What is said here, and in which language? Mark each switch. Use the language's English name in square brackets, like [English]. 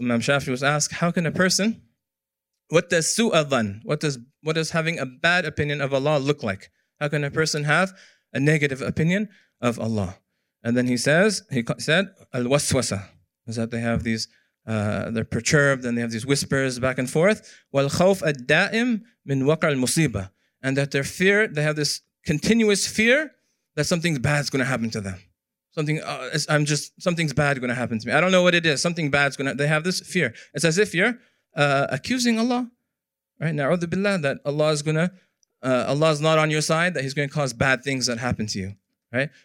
[English] Imam Shafi was asked, how can a person, what does su'a dhan, what does having a bad opinion of Allah look like? How can a person have a negative opinion of Allah? And then he said, الْوَسْوَسَ. Is that they have these, they're perturbed and they have these whispers back and forth. [Arabic] والخوف الدائم من وقع المصيبة. [English] And that their fear, they have this continuous fear that something bad's going to happen to them. Something's bad going to happen to me. I don't know what it is. Something bad's going to, they have this fear. It's as if you're accusing Allah, right? [Arabic] نَعُوذُ بِاللَّهِ, [English] that Allah's not on your side, that He's going to cause bad things that happen to you, right?